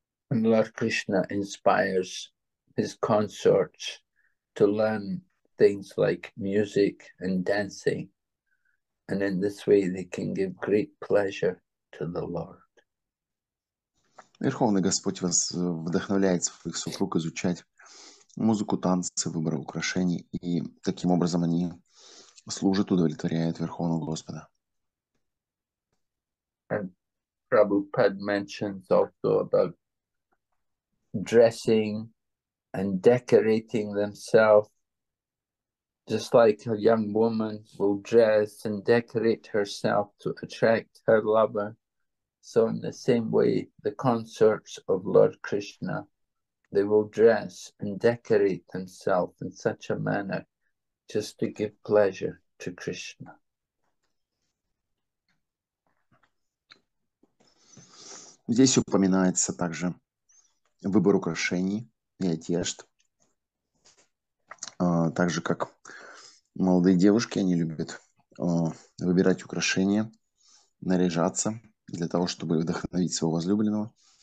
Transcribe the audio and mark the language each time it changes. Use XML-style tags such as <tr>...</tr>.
<en>And Lord Krishna inspires his consorts to learn things like music and dancing, and in this way they can give great pleasure to the Lord.</en> <ru>Верховный Господь вас вдохновляет своих супруг изучать музыку, танцы, выборы украшений, и таким образом они служит, удовлетворяет Верховного Господа.</ru> <en>And Prabhupada mentions also about dressing and decorating themselves, just like a young woman will dress and decorate herself to attract her lover. So in the same way, the consorts of Lord Krishna, they will dress and decorate themselves in such a manner just to give pleasure to Krishna.</en> <ru>Здесь упоминается также выбор украшений и одежд. Также как молодые девушки, они любят выбирать украшения, наряжаться для того, чтобы вдохновить своего возлюбленного.</ru>